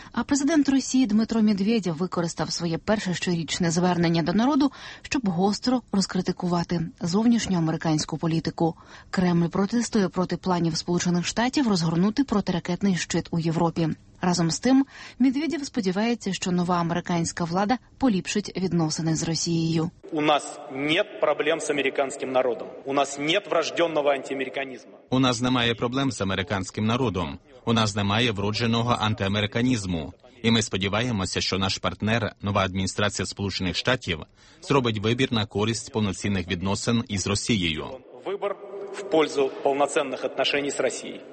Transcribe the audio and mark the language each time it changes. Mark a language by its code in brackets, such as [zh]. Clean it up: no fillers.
[uk] А президент Росії Дмитро Медведєв використав своє перше щорічне звернення до народу, щоб гостро розкритикувати зовнішню американську політику. Кремль протестує проти планів Сполучених Штатів розгорнути протиракетний щит у Європі. Разом з тим, Медведєв сподівається, що нова американська влада поліпшить відносини з Росією. [ru] У нас нет проблем с американським народом. У нас нет врожденного антиамериканизма. [uk] У нас немає проблем з американським народом. У нас немає вродженого антиамериканізму. І ми сподіваємося, що наш партнер, нова адміністрація Сполучених Штатів, зробить вибір на користь повноцінних відносин із Росією. Вибір в пользу повноцінних отношений з Росією.